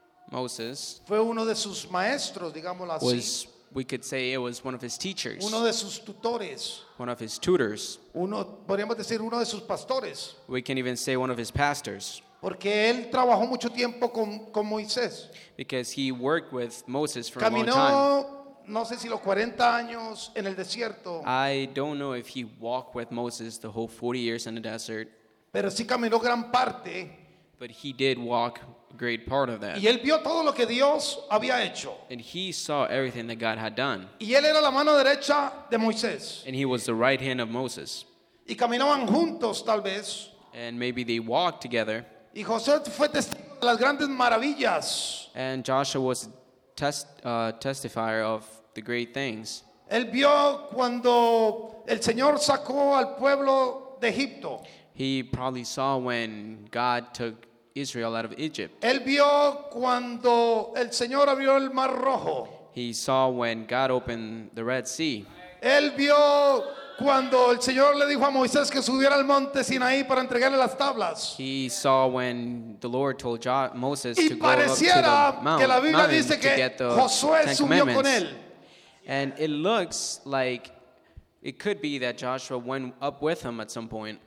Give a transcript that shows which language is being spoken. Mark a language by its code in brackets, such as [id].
[es] Moses fue uno de sus maestros, digámoslo así. [en] Was, we could say it was one of his teachers. [es] Uno de sus tutores. [en] One of his tutors. [es] Uno, podríamos decir uno de sus pastores. [en] We can even say one of his pastors. [es] Porque él trabajó mucho tiempo con Moisés. [en] Because he worked with Moses for [es] caminó, [en] a long time. [es] No sé si los 40 años en el desierto. [en] I don't know if he walked with Moses the whole 40 years in the desert. [es] Pero sí caminó gran parte. [en] But he did walk a great part of that. [es] Y él vio todo lo que Dios había hecho. [en] And he saw everything that God had done. [es] Y él era la mano derecha de Moisés. [en] And he was the right hand of Moses. [es] Y caminaban juntos, tal vez. [en] And maybe they walked together. [es] Y José fue testigo de las grandes maravillas. [en] And Joshua was testifier of the great things. [es] Él vio cuando el Señor sacó al pueblo de Egipto. [en] He probably saw when God took Israel out of Egypt. [es] Él vio cuando el Señor abrió el Mar Rojo. [en] He saw when God opened the Red Sea. [es] Él vio cuando el Señor le dijo a Moisés que subiera al monte Sinaí para entregarle las tablas. [en] He saw when the Lord told Moses [es] y [en] to go up to the mountain. [es] Que la Biblia dice que Josué subió con él. [en] And it looks like it could be that Joshua went up with him at some point.